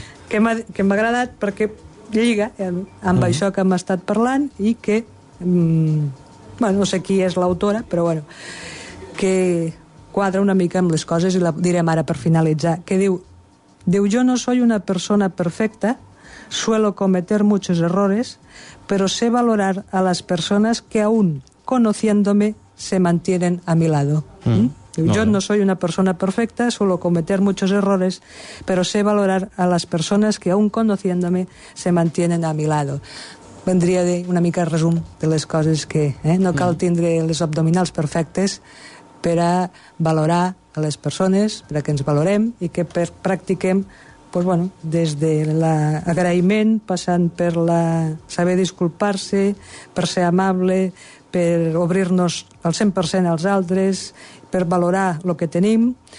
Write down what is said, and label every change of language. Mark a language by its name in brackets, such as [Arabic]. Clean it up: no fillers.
[Catalan] que m'ha agradat perquè lliga amb això que hem estat parlant i que, bueno, no sé qui és l'autora, però bueno, que quadra una mica amb les coses, i la direm ara per finalitzar, que diu, jo [Spanish] no soy una persona perfecta, suelo cometer muchos errores, pero sé valorar a las personas que aún conociéndome se mantienen a mi lado. Yo no soy una persona perfecta, suelo cometer muchos errores, pero sé valorar a las personas que aún conociéndome se mantienen a mi lado. [Catalan] Vendria de una mica resum de les coses que, no cal tindre les abdominals perfectes per a valorar a les persones, perquè ens valorem i que per practiquem, [Spanish] pues bueno, [Catalan] des de l'agraïment, passant per la saber disculpar-se, per ser amable, per obrir-nos al 100% als altres, per valorar el que tenim,